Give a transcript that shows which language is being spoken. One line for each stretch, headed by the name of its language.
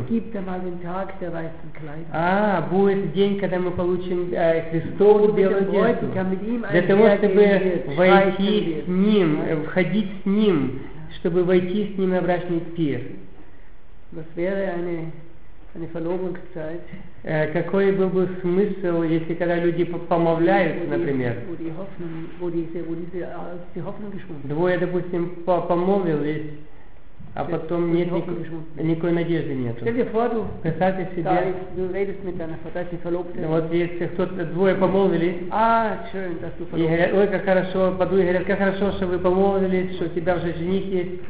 German: Es gibt einmal den Tag der weißen Kleider.
Russian: А, будет день, когда мы получим Христову белую одежду. Для того, чтобы войти с Ним, входить с Ним, чтобы войти с Ним на брачный пир.
German: Was wäre eine... Eine Verlobungszeit.
Russian: Какой был бы смысл, если когда люди помолвляют, например?
German: Wo die Hoffnung geschwunden.
Russian: Двое, допустим, помолвились, А потом нет никакой надежды нету. Представьте себе. Вот если кто-то двое помолвились. А, что это тут? И говорят, ой, как хорошо, подруги говорят, как хорошо, что вы помолвились, что у тебя уже жених есть.